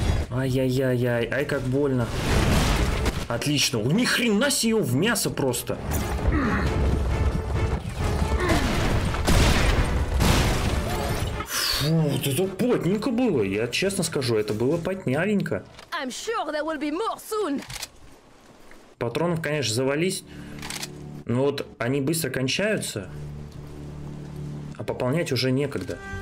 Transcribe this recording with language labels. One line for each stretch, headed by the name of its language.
Russian: Ай-яй-яй-яй. Ай, как больно. Отлично. Ни хрена себе, её в мясо просто. Фу, вот это плотненько было. Я честно скажу, это было потнявенько.
English: I'm sure there will be more soon.
Russian: Патронов, конечно, завались. Но вот они быстро кончаются. А пополнять уже некогда.